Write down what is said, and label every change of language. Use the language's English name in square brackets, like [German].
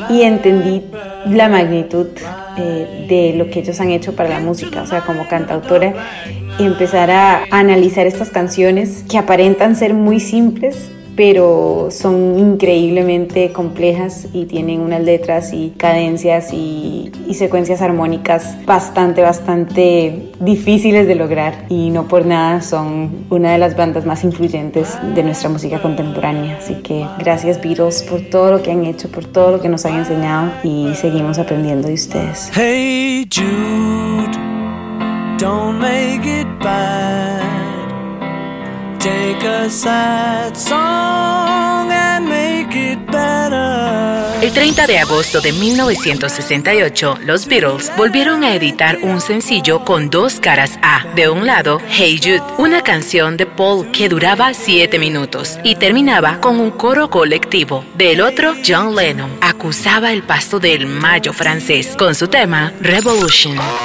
[Spanish] Y entendí la magnitud de lo que ellos han hecho para la música, o sea, como cantautora, y empezar a analizar estas canciones que aparentan ser muy simples, pero son increíblemente complejas y tienen unas letras y cadencias y secuencias armónicas bastante, bastante difíciles de lograr. Y no por nada son una de las bandas más influyentes de nuestra música contemporánea. Así que gracias Beatles por todo lo que han hecho, por todo lo que nos han enseñado, y seguimos aprendiendo de ustedes. [English] Hey Jude, don't make it bad. Take a sad song and make it better. [Spanish] El 30 de agosto de 1968, los Beatles volvieron a editar un sencillo con dos caras A. De un lado, Hey Jude, una canción de Paul que duraba 7 minutos y terminaba con un coro colectivo. Del otro, John Lennon acusaba el paso del mayo francés con su tema Revolution.